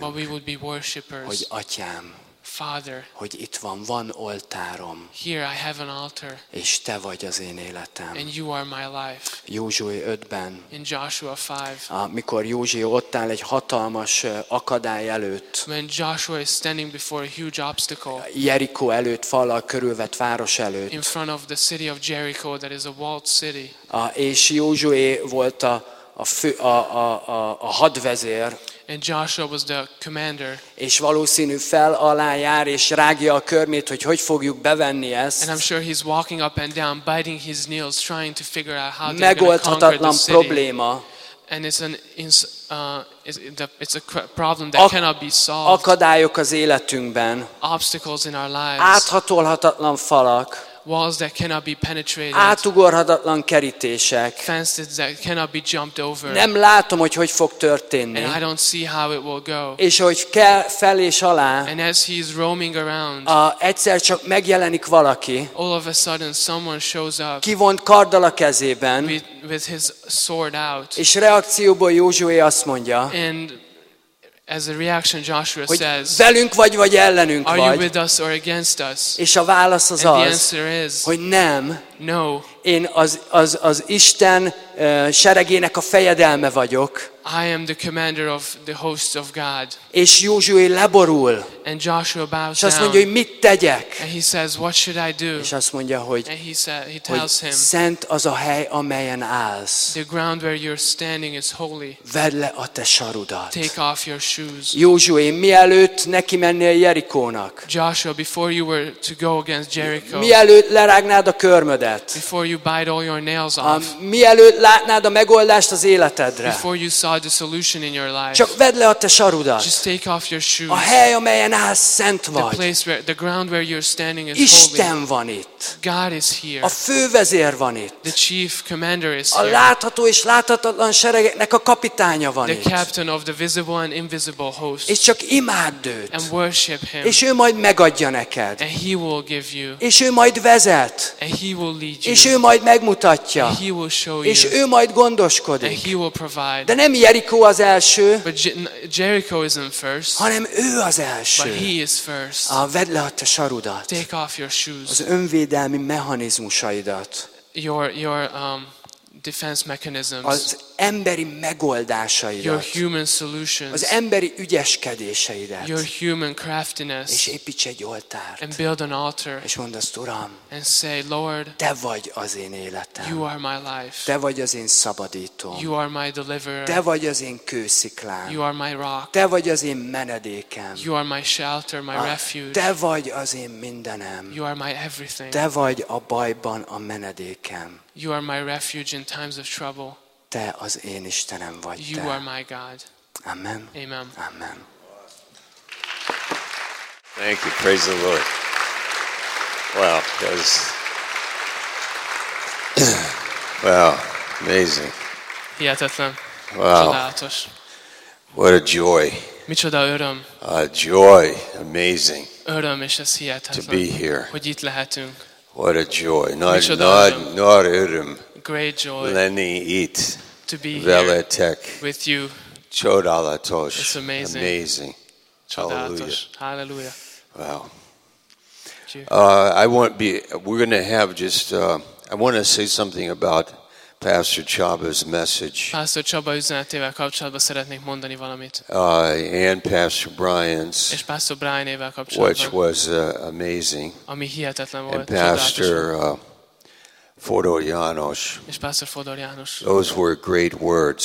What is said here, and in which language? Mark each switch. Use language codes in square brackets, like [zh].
[en] But we would be worshippers. [hu] Hogy atyám. [en] Father, [hu] hogy itt van oltárom. [en] Here I have an altar. [hu] És te vagy az én életem. [en] And you are my life. [hu] Józsué 5-ben. [en] In Joshua 5. [hu] Amikor Józsi ott áll egy hatalmas akadály előtt. [en] When Joshua is standing before a huge obstacle. [hu] Jerikó előtt, fallal körülvett város előtt. [en] In front of the city of Jericho that is a walled city. [hu] És Józsué volt a hadvezér. [en] And Joshua was the commander. [hu] És valószínű fel alá jár és rágja a körmét, hogy fogjuk bevenni ezt. [en] And I'm sure he's walking up and down, biting his nails, trying to figure out how to conquer the city. Probléma. And it's a problem that cannot be solved. [hu] Akadályok az életünkben. [en] Obstacles in our lives. [hu] Áthatolhatatlan falak. [en] Walls that cannot be penetrated. [hu] Átugorhatatlan kerítések. [en] Fences that cannot be jumped over. [hu] Nem látom, hogy fog történni. [en] And I don't see how it will go. [hu] És ahogy kell fel és alá. [en] And as he is roaming around. [hu] Egyszer csak megjelenik valaki. [en] All of a sudden someone shows up. [hu] Kivont karddal a kezében. [en] With his sword out. [hu] És reakcióból Józsué azt mondja. [en] And as a reaction Joshua [hu] hogy [en] says. [hu] Velünk vagy ellenünk [en] are [hu] vagy. [en] Are you with us or against us? [hu] És a válasz az [en] and the answer is, [hu] hogy nem. [en] No. [hu] Én az Isten seregének a fejedelme vagyok. [en] I am the commander of the hosts of God. [hu] És Józsué leborul. [en] And Joshua bows [hu] és azt mondja, [en] down. [hu] Hogy mit tegyek? [en] And he says, what should I do? [hu] És azt mondja, hogy, [en] and he tells [hu] hogy [en] him, [hu] szent az a hely, amelyen állsz. [en] The ground where you're standing is holy. [hu] Vedd le a te sarudat. [en] Take off your shoes. [hu] Józsué, mielőtt neki mennél Jerikónak. [en] Joshua, before you were to go against Jericho. [hu] Mielőtt lerágnád a körmödet. [en] Before you bite all your nails off. [hu] Mielőtt látnád a megoldást az életedre. [en] Before you saw the solution in your life. [hu] Csak vedd le a te sarudat. [en] Just take off your shoes. [hu] A hely, amelyen állsz, szent vagy. [en] The ground where you're standing is holy. [hu] Isten van itt. [en] God is here. [hu] A fővezér van itt. [en] The chief commander is [hu] a [en] here. [hu] A látható és láthatatlan seregeknek a kapitánya van [en] the [hu] itt. [en] The captain of the visible and invisible host. [hu] És csak imádd őt. [en] And worship him. [hu] És ő majd megadja neked. [en] And he will give you. [hu] És ő majd vezet. [en] And he will lead you. [hu] És ő majd megmutatja. [en] He will show [hu] és [en] you. [hu] Ő majd gondoskodik. [en] And he will provide. [hu] De nem Jericho az első. [en] But Jericho isn't first. [hu] Hanem ő az első. [en] But he is first. [hu] Vedd le a te sarudat. [en] Take off your shoes. [hu] Az önvédelmi mechanizmusaidat. [en] Your defense mechanisms. [hu] Az emberi megoldásaidat, [en] your human solutions, [hu] az emberi ügyeskedéseidet, [en] your human craftiness, [hu] és építs egy oltárt, [en] and build an altar, [hu] és mondd azt, Uram, [en] and say, Lord, [hu] te vagy az én életem, [en] you are my life, [hu] te vagy az én szabadítóm, [en] you are my deliverer, [hu] te vagy az én kősziklám, [en] you are my rock, [hu] te vagy az én menedékem, [en] you are my shelter, my refuge, [hu] te vagy az én mindenem, [en] you are my everything, [hu] te vagy a bajban a menedékem, [en] you are my refuge in times of trouble. [hu] Te az én Istenem vagy. [en] You [hu] te. [en] Are my God. Amen. Amen. Amen. Thank you. Praise the Lord. Wow, that was wow, amazing. [hu] Hihetetlen. [en] Wow. [hu] Csodálatos. [en] What a joy. [hu] Micsoda öröm. [en] A joy, amazing. [hu] Öröm, és ez hihetetlen. [en] To be here. [hu] Hogy itt lehetünk. [en] What a joy. [hu] Nagy öröm. [en] Great joy. [hu] Lenni itt. [en] To be [hu] veletek. [en] Here with you. [hu] Csodálatos. [en] It's amazing. Amazing. [hu] Csodálatos. Hallelujah. [en] Wow. We're going to have just, I want to say something about Pastor Csaba's message. [hu] Pastor Csaba üzenetével kapcsolatban szeretnék mondani valamit. [en] And Pastor Brian's. [hu] És Pastor Brian-ével kapcsolatban. [en] Which was amazing. [hu] Ami hihetetlen volt. [en] And Pastor Fodor János. [hu] És Pastor Fodor János. [en] Those were great words.